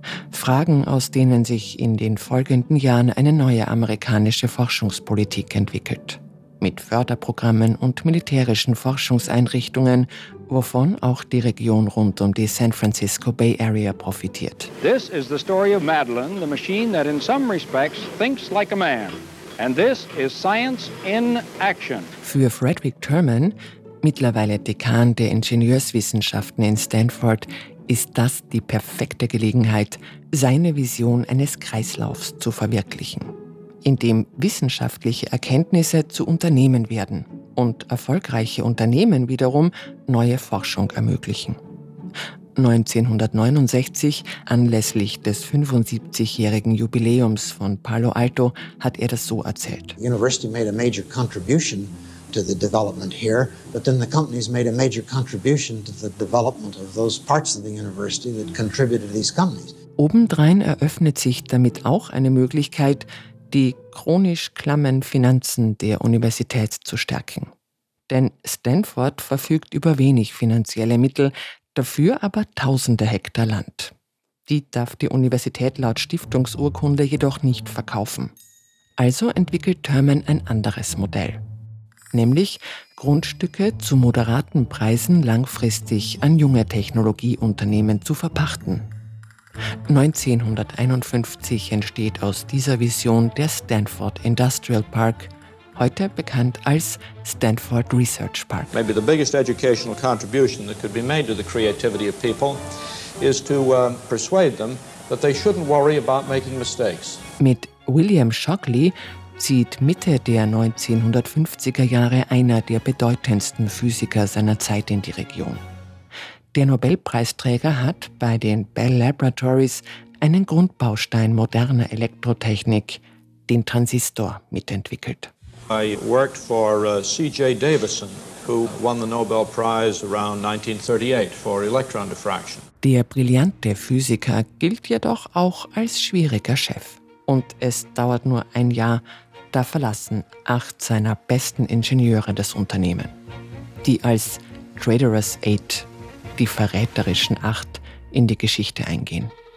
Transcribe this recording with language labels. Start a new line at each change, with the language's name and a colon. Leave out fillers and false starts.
German: Fragen, aus denen sich in den folgenden Jahren eine neue amerikanische Forschungspolitik entwickelt. Mit Förderprogrammen und militärischen Forschungseinrichtungen, wovon auch die Region rund um die San Francisco Bay Area profitiert.
English: This is the story of Madeline, the machine that in some respects thinks like a man. And this is science in action.
German: Für Frederick Thurman, mittlerweile Dekan der Ingenieurswissenschaften in Stanford, ist das die perfekte Gelegenheit, seine Vision eines Kreislaufs zu verwirklichen, in dem wissenschaftliche Erkenntnisse zu Unternehmen werden und erfolgreiche Unternehmen wiederum neue Forschung ermöglichen. 1969, anlässlich des 75-jährigen Jubiläums von Palo Alto, hat er das so erzählt.
English: The university made a major contribution to the development here, but then the companies made a major contribution to the development of those parts of the university that contributed to these companies.
German: Obendrein eröffnet sich damit auch eine Möglichkeit, die chronisch klammen Finanzen der Universität zu stärken. Denn Stanford verfügt über wenig finanzielle Mittel, dafür aber tausende Hektar Land. Die darf die Universität laut Stiftungsurkunde jedoch nicht verkaufen. Also entwickelt Thurman ein anderes Modell, nämlich Grundstücke zu moderaten Preisen langfristig an junge Technologieunternehmen zu verpachten. 1951 entsteht aus dieser Vision der Stanford Industrial Park, heute bekannt als Stanford Research Park.
English: Maybe the biggest educational contribution that could be made to the creativity of people is to persuade them that they shouldn't worry about making mistakes.
German: Mit William Shockley zieht Mitte der 1950er Jahre einer der bedeutendsten Physiker seiner Zeit in die Region. Der Nobelpreisträger hat bei den Bell Laboratories einen Grundbaustein moderner Elektrotechnik, den Transistor, mitentwickelt.
English: I worked for C.J. Davison, who won the Nobel Prize around 1938 for electron diffraction.
German: Der brillante Physiker gilt jedoch auch als schwieriger Chef. Und es dauert nur ein Jahr, da verlassen 8 seiner besten Ingenieure das Unternehmen, die als Traitorous 8, die verräterischen 8, in die Geschichte eingehen.